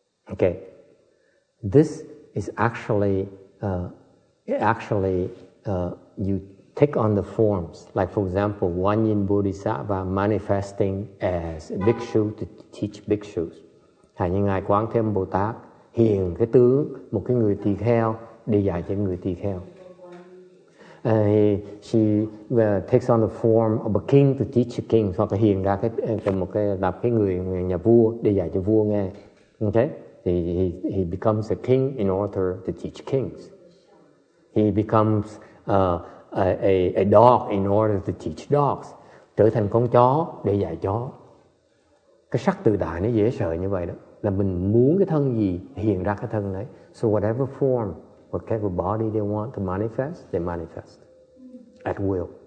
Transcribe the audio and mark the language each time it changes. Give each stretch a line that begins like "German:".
English: Okay, this is actually you take on the forms, like for example, Wanyin Bodhisattva manifesting as a bhikshu to teach bhikshus.
Vietnamese: Hay như Ngài Quán Thế Âm Bồ Tát hiện cái tướng một cái người tỳ kheo để dạy cho người tỳ kheo.
English: She takes on the form of a king to teach a king,
Vietnamese: hoặc là hiện ra cái một cái đập cái người nhà vua để dạy cho vua nghe.
English: Okay, he becomes a king in order to teach kings. He becomes a dog in order to teach dogs,
Vietnamese: trở thành con chó để dạy chó. Cái sắc tự tại nó dễ sợ như vậy đó, là mình muốn cái thân gì hiện ra cái thân đấy.
English: So whatever form, whatever body they want to manifest, they manifest at will.